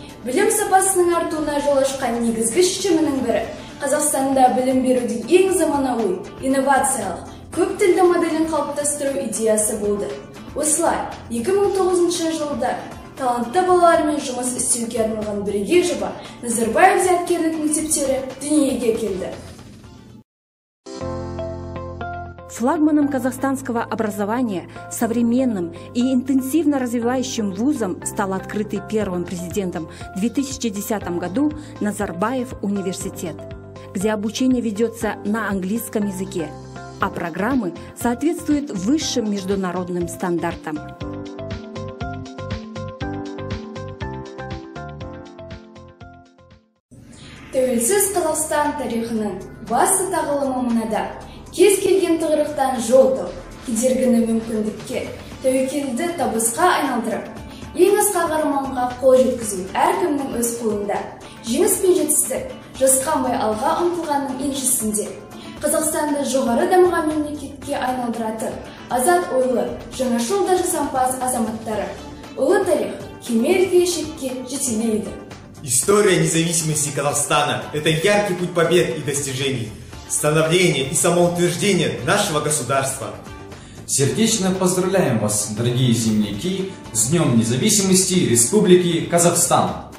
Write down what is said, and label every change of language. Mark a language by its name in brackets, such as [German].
[Kazakh] Білім сапасының артуына жол ашқан негізгі шешімінің бірі – Қазақстанда білім берудің ең заманауи, инновациялық, көп тілді моделін қалыптастыру идеясы болды. Осылай, 2009 жылда талантты балалармен жұмыс істеуге арналған біріге жоба Назарбаев зияткерлік мектептері дүниеге келді. [Russian] Флагманом казахстанского образования, современным и интенсивно развивающим вузом стал открытый первым президентом в 2010 году Назарбаев университет, где обучение ведется на английском языке, а программы соответствуют высшим международным стандартам. [Kazakh] Тәуелсіз Қазақстан тарихының басты тағылымы мынада. Кез келген тығырықтан жол тауып, кедергіні мүмкіндікке, тәуекелді табысқа айналдырып, ең асқақ арманға қол жеткізу әркімнің өз қолында. Жеңіс пен жетістік жасқанбай алға ұмтылғанның еншісінде. Қазақстанды жоғары дамыған мемлекетке айналдыратын азат ойлы, жаңашыл да жасампаз азаматтары. Ұлы тарих кемел келешекке жетелейді. [Russian] История независимости Казахстана – это яркий путь побед и достижений. Становление и самоутверждение нашего государства. Сердечно поздравляем вас, дорогие земляки, с Днем Независимости Республики Казахстан!